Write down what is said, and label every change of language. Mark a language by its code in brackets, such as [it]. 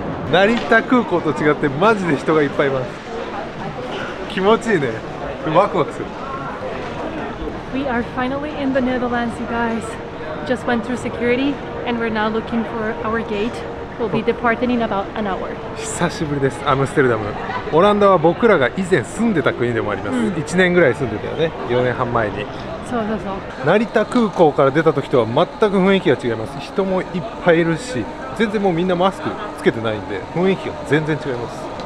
[ja] 成田空港と違ってマジで人がいっぱいいます。気持ちいいね。ワクワクする。 [en] We are finally in the Netherlands, you guys. Just went through security and we're now looking for our gate. We'll be departing in about an hour. [ja] 久しぶりです、アムステルダム。オランダは僕らが以前住んでた国でもあります。 1年ぐらい住んでたよね、4年半前に。そう成田空港から出た時とは全く雰囲気が違います。人もいっぱいいるし、全然もうみんなマスクつけてないんで雰囲気が全然違います。